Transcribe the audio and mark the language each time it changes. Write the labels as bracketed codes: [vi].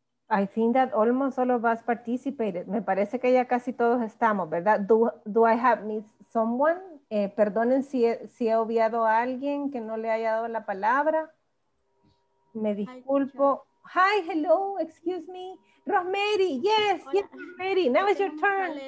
[en] I think that almost all of us participated. [es] Me parece que ya casi todos estamos, ¿verdad? [en] Do I have missed someone? [es] Perdonen si he obviado a alguien que no le haya dado la palabra. Me disculpo. [en] Hi, hello, excuse me. Rosemary, yes, hola. Yes, Rosemary, now is your turn.